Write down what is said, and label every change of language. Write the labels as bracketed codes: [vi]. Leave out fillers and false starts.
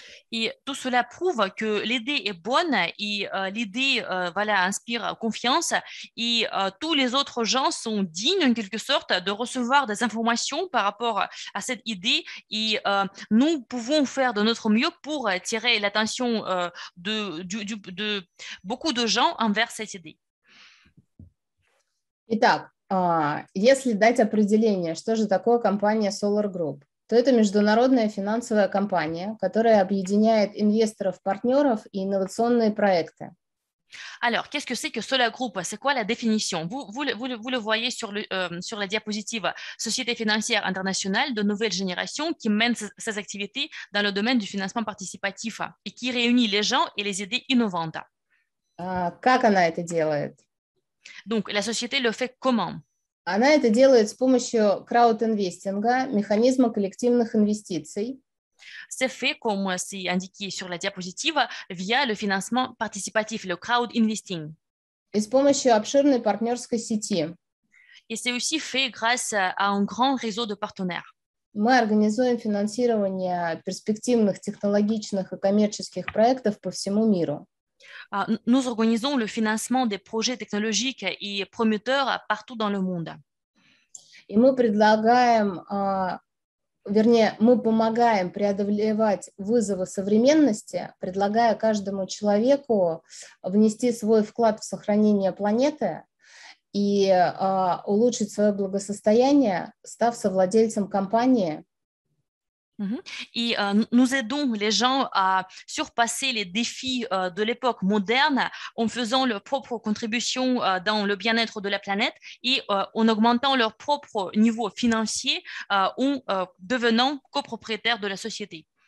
[ru] И тут [fr] cela prouve que l'idée est bonne et l'idée voilà inspire confiance et tous les autres gens sont dignes en quelque sorte de recevoir des informations par rapport à cette idée et nous pouvons faire de notre mieux pour attirer l'attention de beaucoup de gens envers cette idée. [ru] Итак, если дать определение, что же такое компания Solar Group? То это международная финансовая компания, которая объединяет инвесторов-партнеров и инновационные проекты. [fr] Alors, qu'est-ce que c'est que Solar Group? C'est quoi la définition? Vous le voyez sur la diapositive. Société financière internationale de nouvelle génération qui mène ses activités dans le domaine du financement participatif et qui réunit les gens et les idées innovantes. [ru] Как она это делает? [fr] Donc, la société le fait comment? [ru] Она это делает с помощью краудинвестинга, механизма коллективных инвестиций. [fr] C'est fait, comme c'est indiqué sur la diapositive, via le financement participatif, le crowdinvesting. [ru] И с помощью обширной партнерской сети. [fr] Et c'est aussi fait grâce à un grand réseau de partenaires. [ru] Мы организуем финансирование перспективных, технологичных и коммерческих проектов по всему миру. [fr] Nous organisons le financement des projets technologiques et prometteurs partout dans le monde. [ru] И мы предлагаем, мы помогаем преодолевать вызовы современности, предлагая каждому человеку внести свой вклад в сохранение планеты и улучшить свое благосостояние, став совладельцем компании. [fr] Et nous aidons les gens à surpasser les défis de l'époque moderne en faisant leur propre contribution dans le bien-être de la planète et en augmentant leur propre niveau financier en devenant copropriétaires de la société.